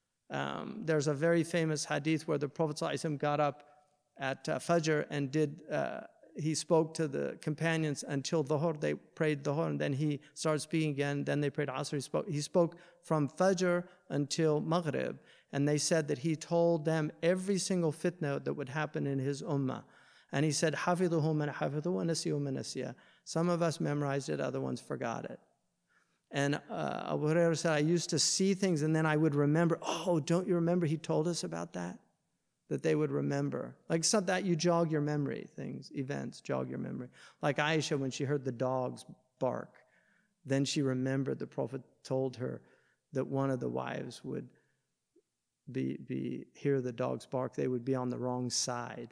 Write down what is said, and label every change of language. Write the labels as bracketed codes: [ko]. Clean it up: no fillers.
[en] There's a very famous hadith where the Prophet ﷺ got up at Fajr and he spoke to the companions until Dhuhr. They prayed Dhuhr, and then he started speaking again. Then they prayed Asr. He spoke from Fajr until Maghrib. And they said that he told them every single fitna that would happen in his ummah. And he said, [ar] حَفِظُهُ مَنْ حَفِظُهُ وَنَسِيُهُ مَنْ نَسِيَهُ. [en] Some of us memorized it, other ones forgot it. And Abu Huraira said, I used to see things and then I would remember, oh, don't you remember he told us about that? That they would remember. Like something that you jog your memory, things, events jog your memory. Like Aisha, when she heard the dogs bark, then she remembered the Prophet told her that one of the wives would be hear the dogs bark, they would be on the wrong side.